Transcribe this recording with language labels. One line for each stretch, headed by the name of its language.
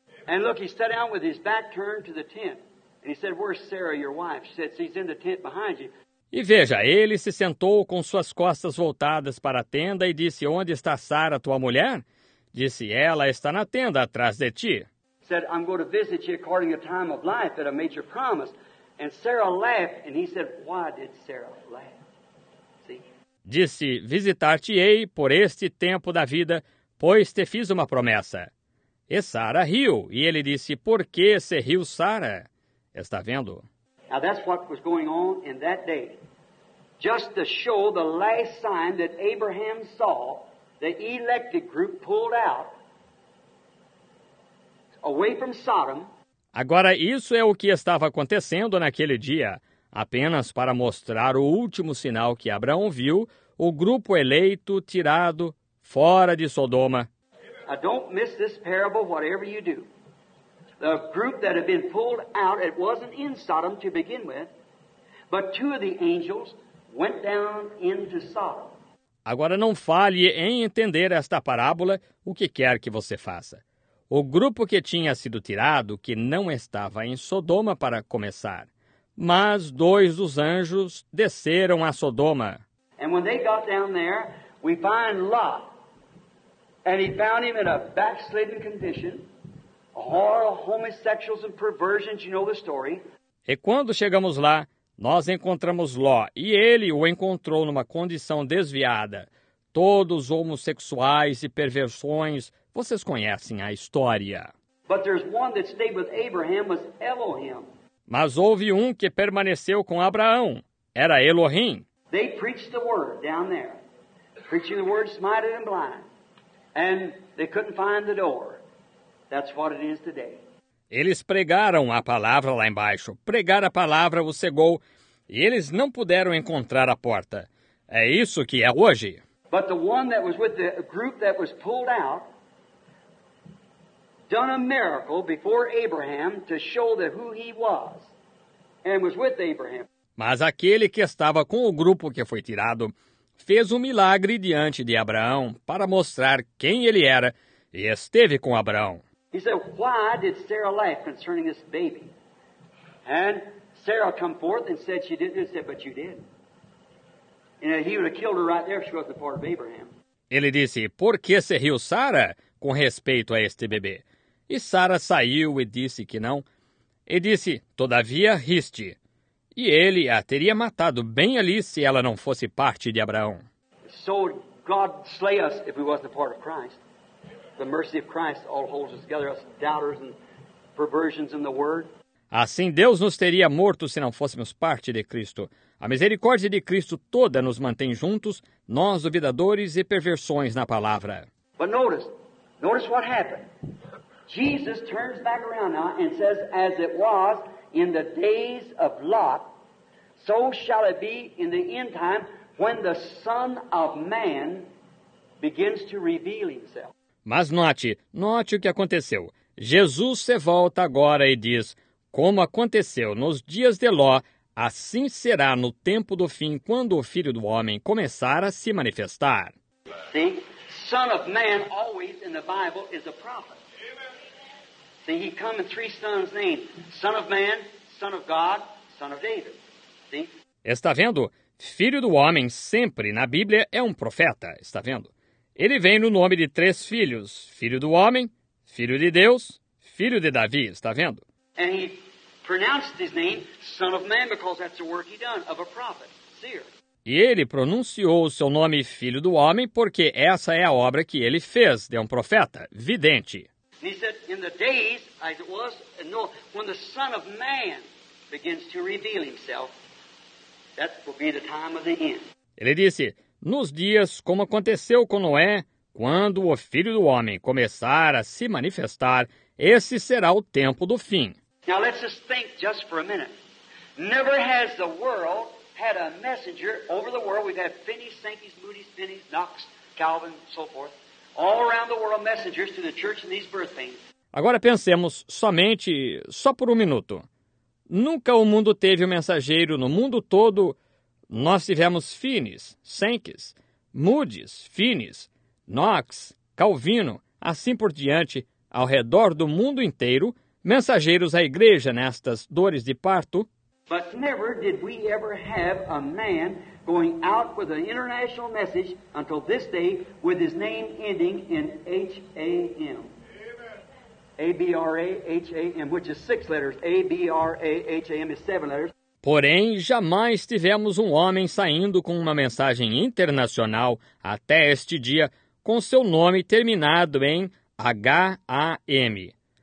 English: And look, he sat down with his back turned to the tent. And he said, where's Sarah, your wife? She said, she's in the tent behind you.
Portuguese: E veja, ele se sentou com suas costas voltadas para a tenda e disse, onde está Sara, tua mulher? Disse, ela está na tenda atrás de ti.
English: He said, I'm going to visit you according to the time of life that I made your promise. And Sarah laughed. And he said, why did Sarah laugh?
Portuguese: Disse, visitar-te-ei por este tempo da vida, pois te fiz uma promessa. E Sara riu, e ele disse, por que se riu Sara? Está vendo?
English: Now that's what was going on in that day. just to show the last sign that Abraham saw, the elected group pulled out, away from Sodom.
Portuguese: Agora, isso é o que estava acontecendo naquele dia. Apenas para mostrar o último sinal que Abraão viu, o grupo eleito tirado fora de Sodoma.
English: Now don't miss this parable, whatever you do. The group that had been pulled out, it wasn't in Sodom to begin with, but two of the angels went down into Sodom.
Portuguese: Agora não falhe em entender esta parábola, o que quer que você faça. O grupo que tinha sido tirado, que não estava em Sodoma para começar, mas dois dos anjos desceram a Sodoma.
English: And when they got down there, we find Lot. And he found him in a backslidden condition, all homosexuals and perversions, you know the story.
Portuguese: E quando chegamos lá, nós encontramos Ló, e ele o encontrou numa condição desviada. Todos homossexuais e perversões, vocês conhecem a história.
English: But there's one that stayed with Abraham, was Elohim.
Portuguese: Mas houve um que permaneceu com Abraão, era Elohim.
English: They preached the word down there, preaching the word smited and blind. And they couldn't find the door. That's what it is today.
Portuguese: Eles pregaram a palavra lá embaixo. Pregar a palavra o cegou. E eles não puderam encontrar a porta. É isso que é hoje.
English: But the one that was with the group that was pulled out, done a miracle before Abraham to show that who he was, and was with Abraham.
Portuguese: Mas aquele que estava com o grupo que foi tirado fez um milagre diante de Abraão para mostrar quem ele era e esteve com Abraão.
English: He said, why did Sarah laugh concerning this baby? And Sarah come forth and said she didn't. He said, but you did. And he would have killed her right there if she wasn't part of Abraham.
Portuguese: Ele disse, por que se riu Sarah com respeito a este bebê? E Sarah saiu e disse que não. E disse, todavia riste. E ele a teria matado bem ali se ela não fosse parte de Abraão.
English: So God slay us if we wasn't a part of Christ. The mercy of Christ all holds us together, us doubters and perversions in the word.
Portuguese: Assim Deus nos teria morto se não fôssemos parte de Cristo. A misericórdia de Cristo toda nos mantém juntos, nós duvidadores e perversões na palavra.
English: But notice what happened. Jesus turns back around now and says, as it was in the days of Lot, so shall it be in the end time when the Son of Man begins to reveal himself.
Portuguese: Mas note o que aconteceu. Jesus se volta agora e diz, como aconteceu nos dias de Ló, assim será no tempo do fim, quando o Filho do Homem começar a se manifestar.
English: See, Son of Man always in the Bible is a prophet. See, he come in three sons' names: Son of Man, Son of God, Son of David. See?
Portuguese: Está vendo? Filho do Homem sempre na Bíblia é um profeta. Está vendo? Ele vem no nome de três filhos: Filho do Homem, Filho de Deus, Filho de Davi. Está vendo?
English: And he pronounced his name Son of Man because that's the work he done of a prophet, seer.
Portuguese: E ele pronunciou o seu nome Filho do Homem porque essa é a obra que ele fez de um profeta, vidente.
English: And he said, in the days, as it was, no, when the Son of Man begins to reveal himself, that will be the time of the end.
Portuguese: Ele disse, nos dias como aconteceu com Noé, quando o Filho do Homem começar a se manifestar, esse será o tempo do fim.
English: Now let's just think just for a minute. Never has the world had a messenger over the world. We've had Finney, Sankey, Moody, Finney, Knox, Calvin, so forth. All around the world messengers to the church in these birth pains.
Portuguese: Agora pensemos somente, só por um minuto. Nunca o mundo teve um mensageiro no mundo todo. Nós tivemos Finis, Sankeys, Moody's, Finis, Knox, Calvino, assim por diante, ao redor do mundo inteiro, mensageiros à igreja nestas dores de parto.
English: But never did we ever have a man going out with an international message until this day with his name ending in H-A-M. A-B-R-A-H-A-M, which is six letters. A-B-R-A-H-A-M is seven letters.
Portuguese: Porém, jamais tivemos um homem saindo com uma mensagem internacional até este dia com seu nome terminado em H-A-M.